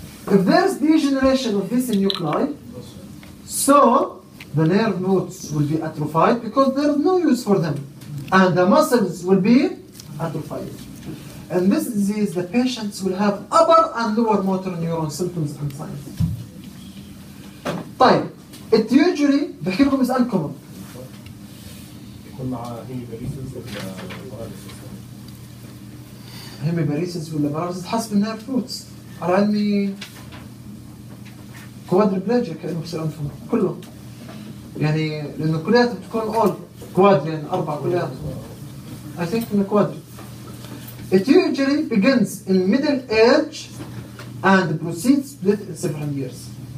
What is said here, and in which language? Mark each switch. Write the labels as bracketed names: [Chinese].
[English] If there's degeneration of this nuclei, so the nerve roots will be atrophied because there's no use for them. And the muscles will be atrophied. In this disease, the patients will have upper and lower motor neuron symptoms and signs. [Arabic] طيب. [English] It usually, [Arabic] بحكي لكم مسألة كومن. يكون معها هيميباريسيس ولا باراليسيس؟ هيميباريسيس ولا باراليسيس حسب النيرف روتس. على علمي كوادربليجيا كأنه بصير عندهم كله. يعني لأنه كليات بتكون أول كواد يعني أربع كليات. [English] I think [Arabic] إنه كواد. [English] It usually begins in middle age and proceeds with several years.